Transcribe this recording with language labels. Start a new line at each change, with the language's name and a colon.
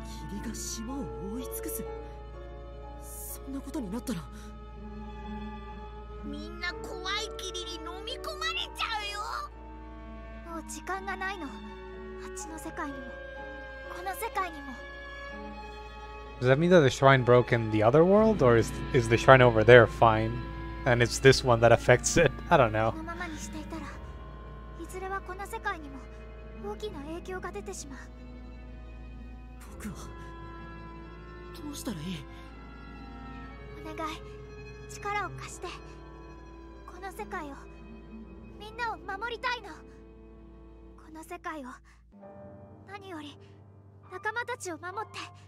Japanese: 霧が島を覆い尽くす。そんなことになったら、みんな怖い霧に飲み込まれちゃうよ。もう時間がないの。あっちの世界にも、この世界にも。
English: Does that mean that the shrine broke in the other world, or is the shrine over there fine, and it's this one that affects it? I don't know.
Japanese: このままにしていたら、いずれはこの世界にも大きな影響が出てしまう。僕はどうしたらいい？お願い、力を貸して。この世界を、みんなを守りたいの。この世界を、何より仲間たちを守って。